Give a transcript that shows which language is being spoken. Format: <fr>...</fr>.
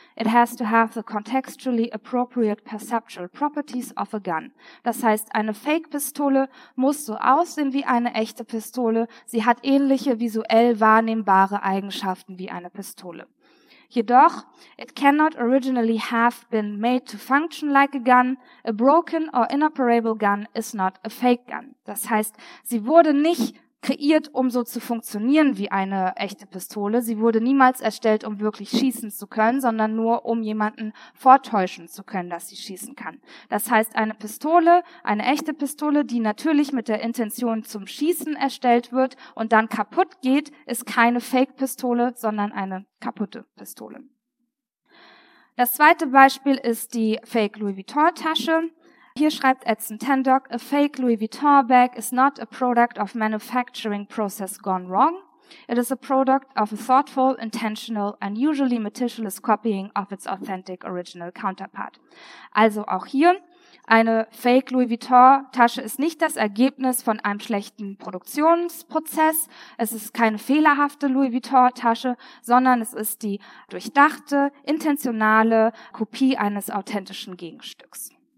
<en>It has to have the contextually appropriate perceptual properties of a gun.</en> <de>Das heißt, eine Fake-Pistole muss so aussehen wie eine echte Pistole. Sie hat ähnliche visuell wahrnehmbare Eigenschaften wie eine Pistole. Jedoch,</de> <en>it cannot originally have been made to function like a gun. A broken or inoperable gun is not a fake gun.</en> <de>Das heißt, sie wurde nicht kreiert, um so zu funktionieren wie eine echte Pistole. Sie wurde niemals erstellt, um wirklich schießen zu können, sondern nur, um jemanden vortäuschen zu können, dass sie schießen kann. Das heißt, eine Pistole, eine echte Pistole, die natürlich mit der Intention zum Schießen erstellt wird und dann kaputt geht, ist keine Fake-Pistole, sondern eine kaputte Pistole. Das zweite Beispiel ist die Fake-Louis Vuitton-Tasche. Hier schreibt</de> <en>Edson Tendock: A fake Louis Vuitton bag is not a product of manufacturing process gone wrong. It is a product of a thoughtful, intentional and usually meticulous copying of its authentic original counterpart.</en> <de>Also auch hier, eine fake Louis Vuitton Tasche ist nicht das Ergebnis von einem schlechten Produktionsprozess. Es ist keine fehlerhafte Louis Vuitton Tasche, sondern es ist die durchdachte, intentionale Kopie eines authentischen Gegenstücks.</de>